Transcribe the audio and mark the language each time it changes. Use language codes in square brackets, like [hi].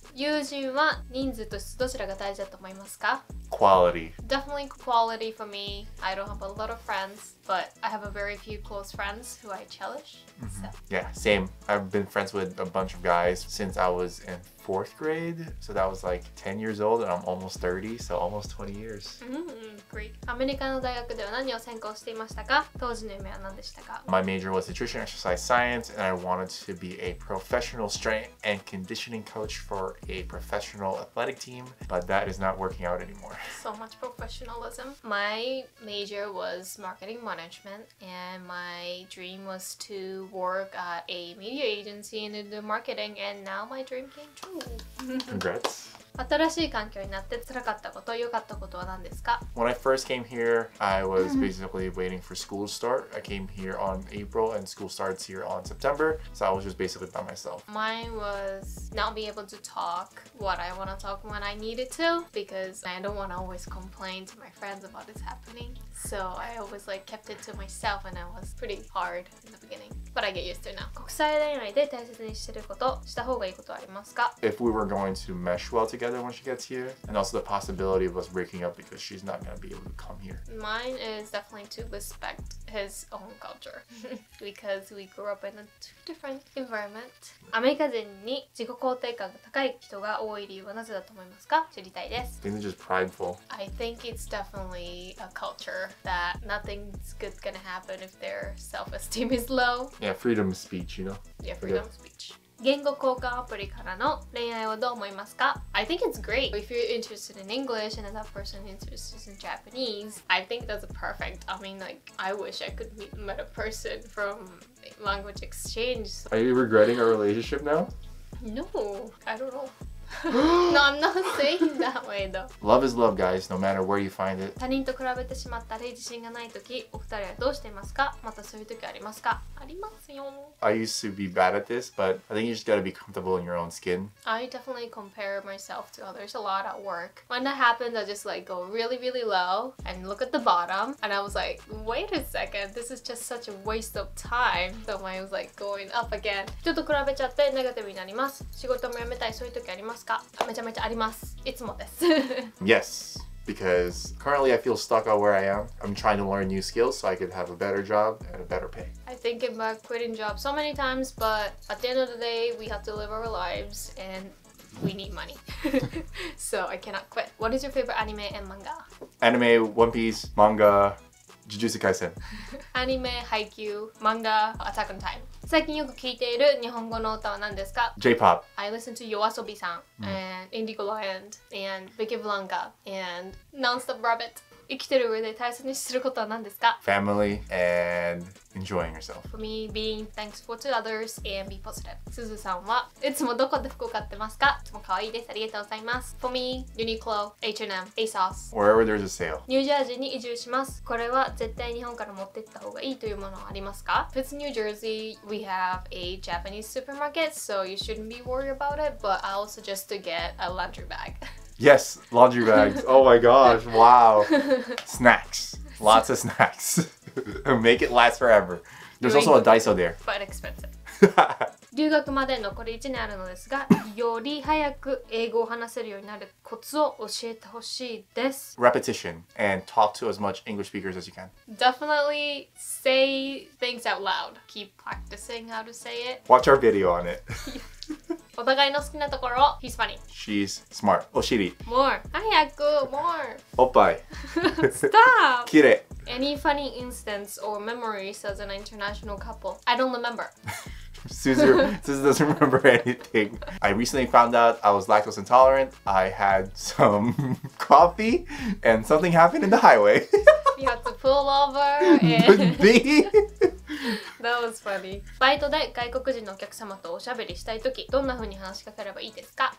[ja] 友人は人数と質どちらが大事だと思いますか? [en] Quality. Definitely quality for me. I don't have a lot of friends, but I have a very few close friends who I cherish. So. Yeah, same. I've been friends with a bunch of guys since I was in fourth grade. So that was like 10 years old and I'm almost 30, so almost 20 years. Great. [ja] アメリカの大学では何を専攻していましたか?当時の夢は何でしたか? [en] My major was nutrition exercise science and I wanted to be a professional strength and conditioning coach for a professional athletic team, but that is not working out anymore. So much professionalism. My major was marketing management and my dream was to work at a media agency and do marketing and now my dream came true. Congrats. [ja] 新しい環境になって辛かったこと、良かったことは何ですか? [en] When I first came here, I was basically waiting for school to start. I came here on April and school starts here on September. So I was just basically by myself. Mine was not be able to talk what I want to talk when I needed to because I don't want to always complain to my friends about this happening. So I always like kept it to myself and it was pretty hard in the beginning. But I get used to it now. [ja] 国際恋愛で大切にしてること、した方がいいことはありますか? [en] If we were going to mesh well together when she gets here and also the possibility of us breaking up because she's not gonna be able to come here. Mine is definitely to respect his own culture because we grew up in a two different environment. [ja] アメリカ人に自己肯定感が高い人が多い理由はなぜだと思いますか? 知りたいです。 [en] I think it's just prideful. I think it's definitely a culture that nothing's good gonna happen if their self-esteem is low. Yeah, freedom of speech, you know? Yeah, freedom of speech. [ja] 言語交換アプリからの恋愛をどう思いますか? [en] I think it's great. If you're interested in English and another person is interested in Japanese, I think that's perfect. I mean, like, I wish I could meet a person from language exchange. Are you regretting our relationship now? No, I don't know. No, I'm not saying that way though. Love is love, guys, no matter where you find it. [ja] 他人と比べてしまったり自信がないとき、お二人はどうしていますか? またそういうときありますか? ありますよ。 [en] I used to be bad at this, but I think you just gotta be comfortable in your own skin. I definitely compare myself to others a lot at work. When that happens, I just like go really, really low and look at the bottom. And I was like, wait a second, this is just such a waste of time. So I was like going up again. [ja] 人と比べちゃってネガティブになります。仕事も辞めたい、そういうときありますか?めちゃめちゃあります。いつもです。 [en] Yes. Because currently I feel stuck at where I am. I'm trying to learn new skills so I could have a better job and a better pay. I think about quitting jobs so many times, but at the end of the day, we have to live our lives and we need money. So I cannot quit. What is your favorite anime and manga? Anime, One Piece, manga, Jujutsu Kaisen. Anime, Haikyuu, manga, Attack on Titan. [ja] 最近よく聞いている日本語の歌は何ですか? [en] J-pop. I listen to YOASOBI さん、and Indigo Land, and Vicky Blanca, and Nonstop Rabbit. [ja] 生きてる上で大切にすることは何ですか? [en] Family and enjoying yourself. For me, being thankful to others and be positive. [ja] Suzu さんはいつもどこで服を買ってますか? いつも可愛いです。ありがとうございます。 [en] For me, Uniqlo, H&M, ASOS. Wherever there's a sale. [ja] ニュージャージーに移住します。これは絶対日本から持って行った方がいいというものはありますか? [en] If it's New Jersey, we have a Japanese supermarket, so you shouldn't be worried about it, but I'll suggest to get a laundry bag. Yes, laundry bags. Oh my gosh, wow. Snacks. Lots of snacks. Make it last forever. There's also a Daiso there. But expensive. [ja] 留学まで残り1年あるのですが、より早く英語を話せるようになるコツを教えてほしいです。 [en] Repetition and talk to as much English speakers as you can. Definitely say things out loud. Keep practicing how to say it. Watch our video on it. [ja] お互いの好きなところ [en] He's funny. She's smart. [ja] お尻 [en] More. [ja] 早く [en] More. [ja] おっぱい [en] Stop! [ja] きれ [en] い Any funny instance or memories as an international couple? I don't remember. Suzu doesn't remember anything. I recently found out I was lactose intolerant. I had some coffee and something happened in the highway. You had to pull over and... That was funny. [ja] バイトで外国人のお客様とおしゃべりしたいとき、どんな風に話しかければいいですか?